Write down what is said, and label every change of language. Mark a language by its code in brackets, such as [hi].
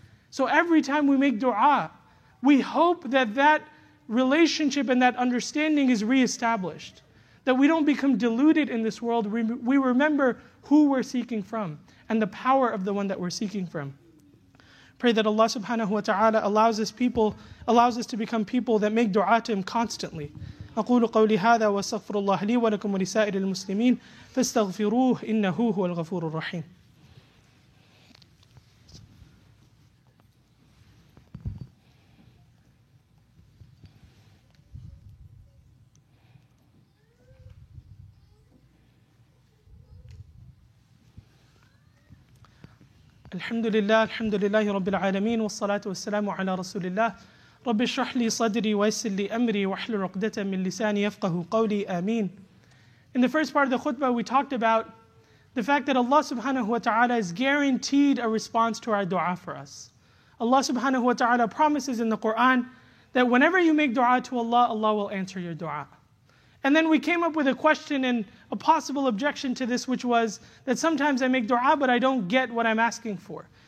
[en] So every time we make dua, we hope that that relationship and that understanding is reestablished, that we don't become deluded in this world, we remember who we're seeking from, and the power of the one that we're seeking from. Pray that Allah subhanahu wa ta'ala allows us to become people that make dua to Him constantly. [ar] أقول قولي هذا واستغفر الله لي ولكم ولسائر المسلمين فاستغفروه إنه هو الغفور الرحيم. الحمد لله الحمد لله رب العالمين والصلاة والسلام على رسول الله. رب اشرح لي صدري ويسر لي امري واحلل عقدة من لساني يفقهوا قولي امين. [en] In the first part of the khutbah, we talked about the fact that Allah subhanahu wa ta'ala is guaranteed a response to our dua for us. Allah subhanahu wa ta'ala promises in the Quran that whenever you make dua to Allah, Allah will answer your dua. And then we came up with a question and a possible objection to this, which was that sometimes I make dua but I don't get what I'm asking for.